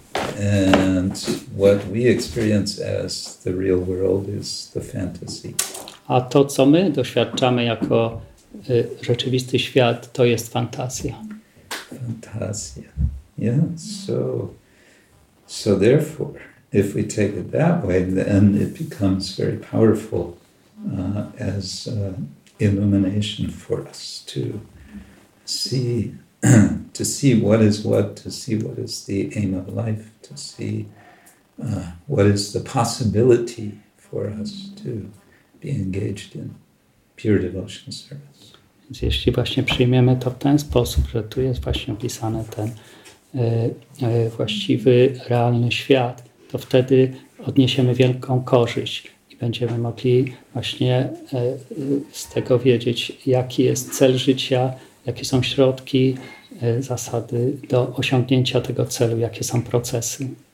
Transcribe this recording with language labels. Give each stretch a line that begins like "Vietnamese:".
English: And what we experience as the real world is the fantasy.
Polish: A to, co my doświadczamy jako rzeczywisty świat, to jest fantazja. Fantazja. Yeah.
English: So therefore, if we take it that way, then it becomes very powerful as illumination for us to see what is what, to see what is the aim of life, to see what is the possibility for us to be engaged in pure devotional service.
Polish: Więc jeśli właśnie przyjmiemy to w ten sposób, że tu jest właśnie opisany ten właściwy, realny świat, to wtedy odniesiemy wielką korzyść i będziemy mogli właśnie z tego wiedzieć, jaki jest cel życia, jakie są środki, zasady do osiągnięcia tego celu, jakie są procesy.